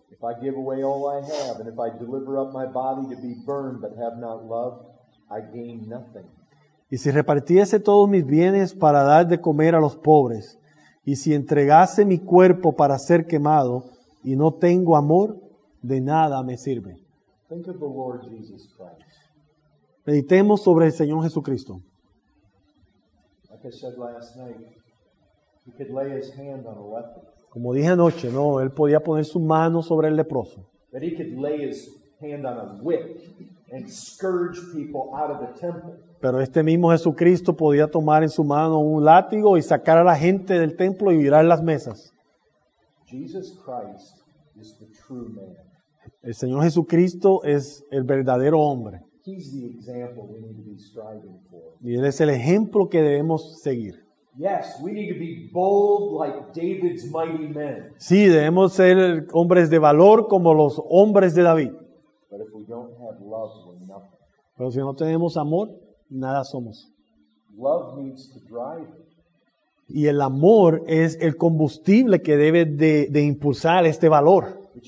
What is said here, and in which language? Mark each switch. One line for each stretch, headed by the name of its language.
English: "If I give away all I have, and if I deliver up my body to be burned, but have not love, I gain nothing."
Spanish: "Y si repartiese todos mis bienes para dar de comer a los pobres, y si entregase mi cuerpo para ser quemado, y no tengo amor, de nada me sirve."
English: Think of the Lord Jesus Christ.
Spanish: Meditemos sobre el Señor Jesucristo.
English: Like I said last night, he could lay his hand on a leper.
Spanish: Como dije anoche, no, él podía poner su mano sobre el leproso.
English: That he could lay his hand on a whip and scourge people out of the temple.
Spanish: Pero este mismo Jesucristo podía tomar en su mano un látigo y sacar a la gente del templo y virar las mesas.
English: Jesus Christ is the true man.
Spanish: El Señor Jesucristo es el verdadero hombre.
English: He's the example we need to be striving for.
Spanish: Y él es el ejemplo que debemos seguir.
English: Yes, we need to be bold like David's mighty men.
Spanish: Sí, debemos ser hombres de valor como los hombres de David.
English: But if we don't have love, we're nothing.
Spanish: Pero si no tenemos amor, nada somos.
English: Love needs to drive it.
Spanish: Y el amor es el combustible que debe de impulsar este valor.